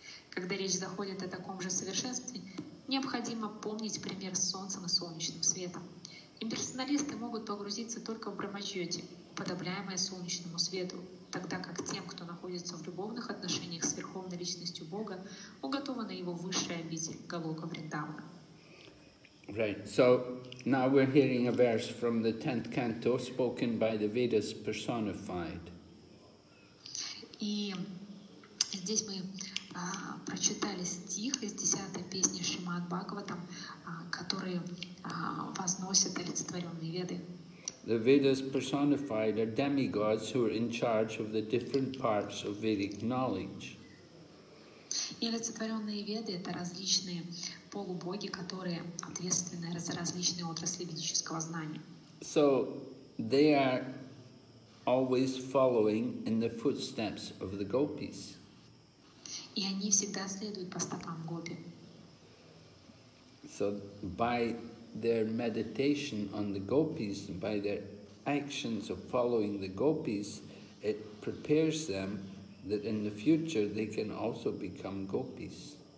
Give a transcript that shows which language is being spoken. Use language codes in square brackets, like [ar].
[ru] Когда речь заходит о таком же совершенстве, необходимо помнить пример с солнцем и солнечным светом. Имперсоналисты могут погрузиться только в Брахмачёти, уподобляемое солнечному свету, тогда как тем, кто находится в любовных отношениях с Верховной Личностью Бога, уготована его высшая обитель Голока Вриндавана. [en] Right. So now we're hearing a verse from the 10th canto spoken by the Vedas personified. [ru] И здесь мы прочитали стих из 10-й песни Шримад Бхагаватам, который возносит олицетворенные веды. [en] The Vedas personified are demigods who are in charge of the different parts of Vedic knowledge. [ru] И олицетворенные веды — это различные полубоги, которые ответственны за различные отрасли ведического знания. [en] So they are always following in the footsteps of the gopis. [ru] И они всегда следуют по стопам гопи. [en] So by their meditation on the gopis, by their actions of following the gopis, it prepares them that in the future they can also become gopis.